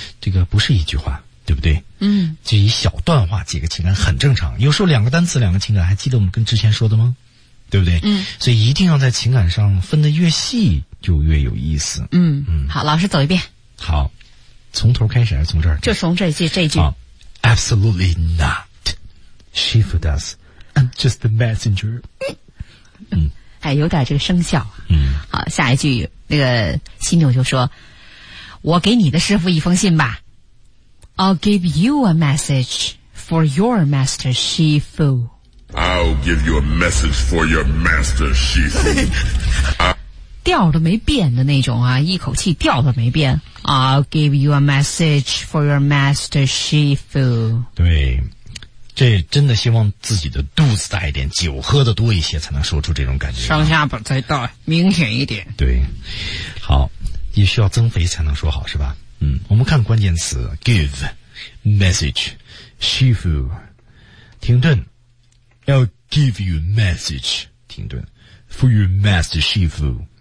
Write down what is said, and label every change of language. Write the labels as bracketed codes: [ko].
[zh] 这个不是一句话，对不对？嗯，就一小段话，几个情感很正常。有时候两个单词，两个情感，还记得我们跟之前说的吗？对不对？嗯，所以一定要在情感上分得越细，就越有意思。嗯嗯，好，老师走一遍。好，从头开始还是从这儿？就从这句。 [en] Absolutely not, Shifu does. I'm just the messenger. 嗯， [zh] 哎，有点这个生效。嗯，好，下一句。那个犀牛就说，我给你的师傅一封信吧。 [en] I'll give you a message for your master Shifu. I'll give you a message for your master Shifu. [zh] 调都没变的那种啊，一口气调都没变。 [en] I'll give you a message for your master Shifu. [zh] 对，这真的希望自己的肚子大一点，酒喝的多一些，才能说出这种感觉。上下巴再大明显一点。对，好，也需要增肥才能说好，是吧？嗯，我们看关键词 ：give message， Shifu， 停顿 ， [en] I'll give you message， [zh] 停顿 ， [en] for your master Shifu，